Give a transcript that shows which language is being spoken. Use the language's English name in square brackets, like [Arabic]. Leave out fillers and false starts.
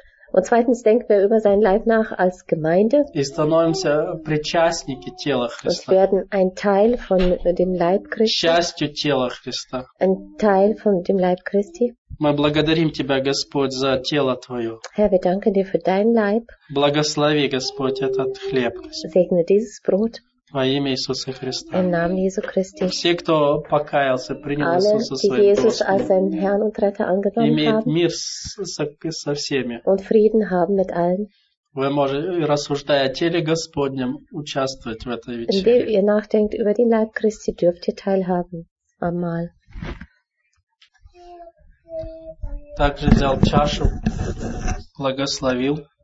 [German] Und zweitens denken wir über seinen Leib nach als Gemeinde und werden ein Teil von dem Leib Christi, ein Teil von dem Leib Christi. [Russian] Мы благодарим Тебя, Господь, за тело Твое. [German] Herr, wir danken dir für dein Leib. [Russian] Благослови, Господь, этот хлеб. [German] Segne dieses Brot. [Russian] Во имя Иисуса Христа. [German] Im Namen Jesu Christi. [Russian] Все, кто покаялся, принял [German] alle, [Russian] Иисуса своим [German] die Jesus [Russian] Господом, [German] als seinen Herrn und Retter angenommen [Russian] имеет [German] haben, [Russian] мир со всеми. [German] Und Frieden haben mit allen. [Russian] Вы можете, рассуждая о теле Господнем, участвовать в этой вечере. [German] Indem ihr nachdenkt über den Leib Christi, dürft ihr teilhaben am Mahl. [Russian] Также взял чашу, благословил.